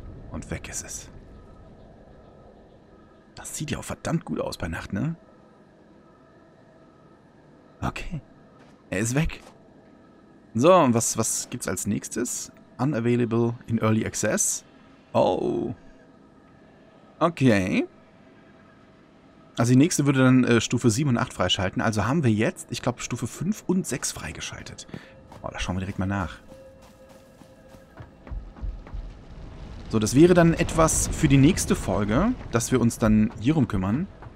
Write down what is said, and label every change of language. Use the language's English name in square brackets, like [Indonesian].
[German] Und weg ist es. Das sieht ja auch verdammt gut aus bei Nacht, ne? Okay. Er ist weg. So, und was gibt's als nächstes? [English] Unavailable in Early Access. [German] Oh. Okay. Also die nächste würde dann Stufe 7 und 8 freischalten. Also haben wir jetzt, ich glaube, Stufe 5 und 6 freigeschaltet. Oh, da schauen wir direkt mal nach. So, das wäre dann etwas für die nächste Folge, dass wir uns dann hierum kümmern.